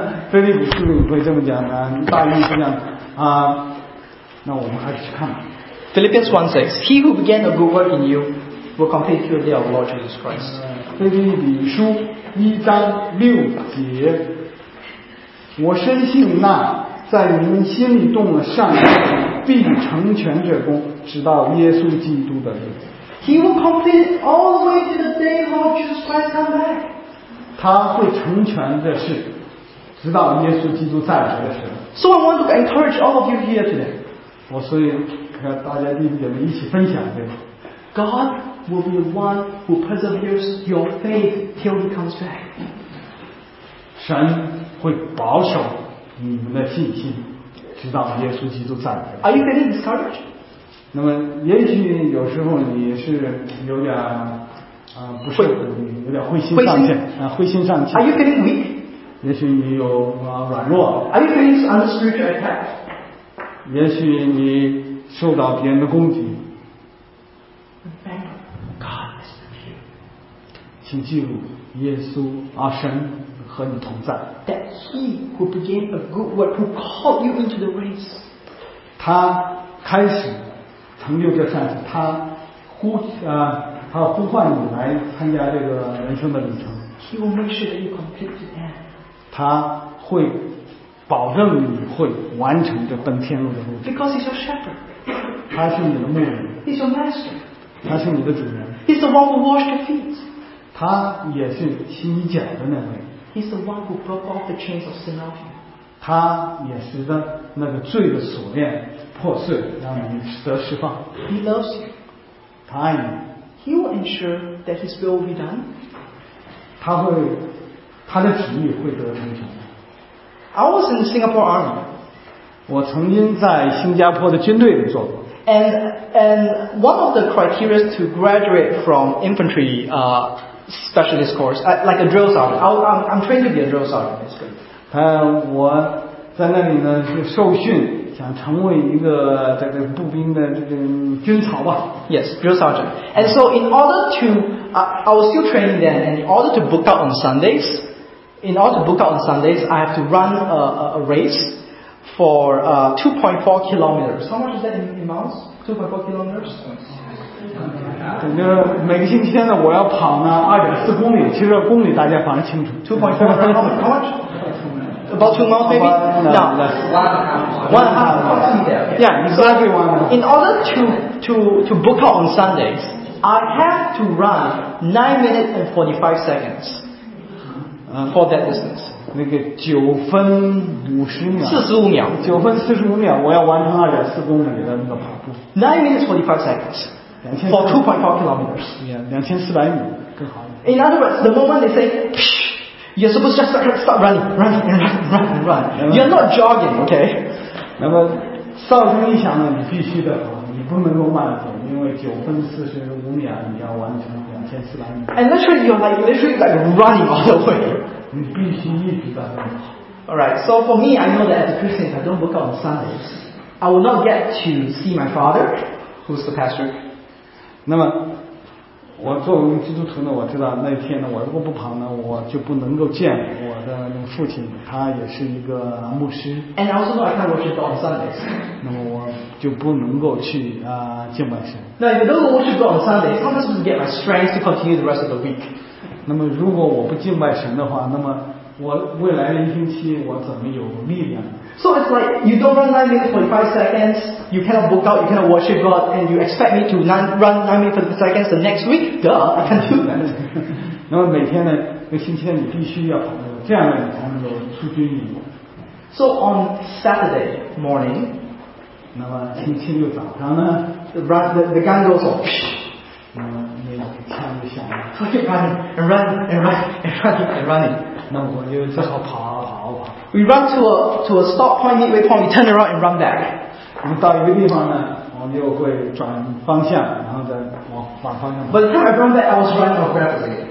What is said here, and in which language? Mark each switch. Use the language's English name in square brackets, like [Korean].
[Chinese] 菲利比书里会这么讲的，大意是这样啊。那我们还是去看。 [English] Philippians 1:6. He who began a good work in you will complete it through the day of Lord Jesus Christ. [Chinese] 菲利比书一章六节，我深信那在你们心里动了善念。必成全这功，直到耶稣基督的日子。 [English] He will complete all the way to the day of Jesus Christ come back. [Chinese] 他会成全这事，直到耶稣基督再来的时 [English] 候。So I want to encourage all of you here today. [Chinese] 我所以和大家弟兄姐妹一起分享这个。 [English] God will be the one who perseveres your faith till He comes back. [Chinese] 神会保守你们的信心。直到耶稣基督再来。 [English] Are you feeling discouraged? [Chinese] 那么，也许有时候你是有点不是有点灰心丧气灰心丧气。 [English] Are you feeling weak? [Chinese] 也许你有软弱。 [English] Are you feeling under spiritual attack? [Chinese] 也许你受到别人的攻击。 [English] Thank God is with you. [Chinese] 请记住，耶稣神。和你同在。 [English] That he who began a good work, who called you into the race, [Chinese] 他开始成就这善事，他呼唤你来参加这个人生的旅程。 [English] He will make sure that you complete the end. [Chinese] 他会保证你会完成这奔天路的路。 [English] Because he's your shepherd. [Chinese] 他是你的牧人。 [English] He's your master. [Chinese] 他是你的主人。 [English] He's the one who washed your feet. [Chinese] 他也是洗你脚的那位。 [English] He's the one who broke off the chains of sin off you. [Chinese] 他也使得那个罪的锁链破碎，让你得释放。 [English] He loves you. [Chinese] 他爱你。 [English] He will ensure that His will be done. [Chinese] 他会，他的旨意会得成全。 [English] I was in the Singapore Army. [Chinese] 我曾经在新加坡的军队里做过。 [English] And one of the criteria to graduate from infantry, Specialist course, like a drill sergeant. I'm trained to be a drill sergeant, basically. [Chinese] 我在那里呢是受训，想成为一个这个步兵的这个军曹吧。 [English] Yes, drill sergeant. And so, in order to, I was still training then, and in order to book out on Sundays, I have to run a race for 2.4 kilometers. How much is that in miles? 2.4 kilometers. [Chinese] 整个每个星期天呢，我要跑呢2.4公里。其实公里大家反而清楚。 [English] 2.4 kilometers. How much? About 2 miles, maybe. No, one and a half. Yeah, exactly. In order to book out on Sundays, I have to run 9:45 for that distance. [Chinese] 那个9:50秒。 45秒。 9:45秒，我要完成2.4公里的那个跑步。 [English] 9:45. For 2.4 kilometers. [Chinese] Yeah, 2400米更好。 [English] In other words, the moment they say, you're supposed to just start running, run. You're not jogging, okay? [Chinese] 那么哨声一响呢，你必须得跑，你不能够慢走，因为9:45秒你要完成2400米。 [English] And literally, you're like running all the way. [Chinese] 你必须一直在跑。 [English] Alright, so for me, I know that as a Christian, if I don't work out on Sundays, I will not get to see my father, who's the pastor. [Chinese] 那么，我作为基督徒呢，我知道那天呢，我如果不跑呢，我就不能够见我的父亲，他也是一个牧师。 [English] And I also know I can't worship on Sundays. [Chinese] 那么我就不能够去敬拜神。 [English] Now if I don't worship on Sundays, how am I supposed to get my strength to continue the rest of the week? [Chinese] 那么如果我不敬拜神的话，那么我未来的一星期我怎么有力量？ [English] So it's like you don't run 9:45, you cannot book out, you cannot worship God, and you expect me to run 9:45 the next week? Duh, I can't do that. [Chinese] 那么每天呢，每星期天你必须要跑步，这样呢才能够出军营。 [English] So on Saturday morning, [Chinese] 那么星期六早上呢 [English] ，the gun goes off. [Chinese] 那么那个枪就响了。 [English] So keep running. [Chinese] 那么我就只好跑。 [English] We run to a stop point, midway point. We turn around and run back. [Chinese] 我们到一个地方呢，我们就会转方向，然后再往反方向。 [English] But the time I run back, I was running out of breath.